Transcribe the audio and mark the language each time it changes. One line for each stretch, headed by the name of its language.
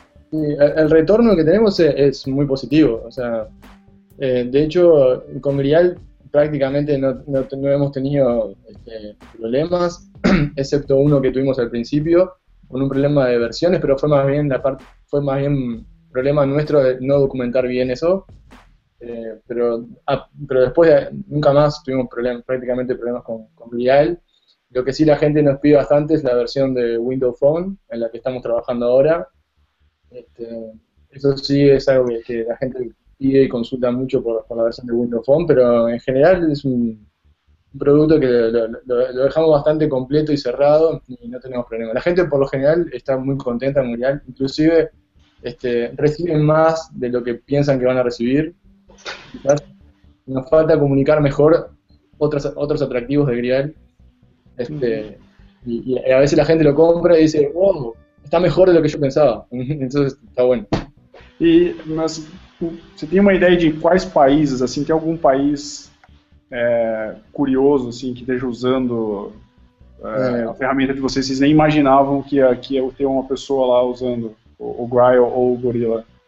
Portuguese: Sim, o retorno que temos é muito positivo. O sea, de hecho, com Grial praticamente não hemos tenido problemas, excepto um que tuvimos al principio, com um problema de versões, mas foi mais bem problema nuestro de não documentar bem isso.
Spanish: Pero después nunca más tuvimos prácticamente problemas con Grial. Lo que sí la gente nos pide bastante es la versión de Windows Phone en la que estamos trabajando ahora. Eso sí es algo que la gente pide y consulta mucho por la versión de Windows Phone, pero en general es un producto que lo dejamos bastante completo y cerrado y no tenemos problemas. La gente por lo general está muy contenta con Grial, inclusive reciben más de lo que piensan que van a recibir. Quizás nos falta comunicar mejor otros atractivos de Grial. Y a veces la gente lo compra y dice, wow, está mejor de lo que yo pensaba. Entonces está bueno.
Portuguese: Y mas, ¿você tem uma ideia de quais países, assim, tem algum país curioso assim, que esteja usando a ferramenta de vocês? Vocês nem imaginavam que ia ter uma pessoa lá usando o Grial ou o Gorilla?